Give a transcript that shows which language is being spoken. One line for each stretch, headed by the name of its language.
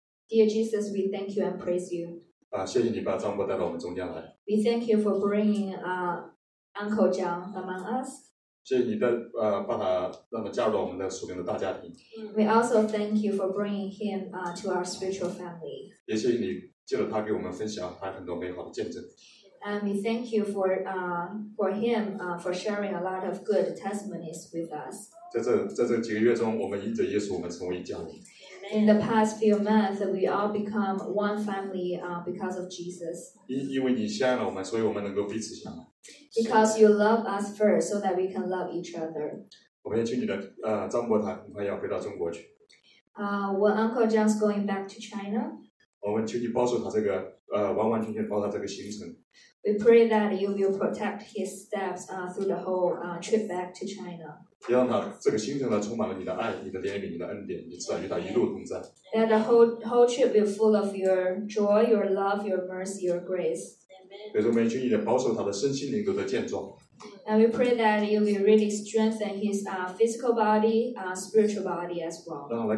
English: Dear Jesus, we thank you and praise you. We thank you for bringing Uncle Zhang among us.
Chinese: 谢谢你的,让他加入我们的属灵的大家庭。
English: We also thank you for bringing him to our spiritual family.
Chinese: 也谢谢你借着他给我们分享他很多美好的见证。
English: And we thank you for sharing a lot of good testimonies with us.
Chinese: 在这几个月中,我们因着耶稣,我们成为一家人。
English: In the past few months, we all become one family because of Jesus.
Chinese: 因为你相爱了我们,所以我们能够彼此相爱。
English: Because you love us first, so that we can love each other.
Chinese: 我们也请你的张伯他很快要回到中国去。
English: When Uncle John's going back to China,
Chinese: 我们请你保守他这个完完全全保守他这个行程。
English: We pray that you will protect his steps through the whole trip back to China.
Chinese: 让他这个行程充满了你的爱、你的怜悯、你的恩典，你知道与他一路同在。
English: That the whole trip will be full of your joy, your love, your mercy, your grace.
Chinese: 所以说我们也请你保守他的身心灵都在健壮。
English: And we pray that you will really strengthen his physical body, spiritual body as well.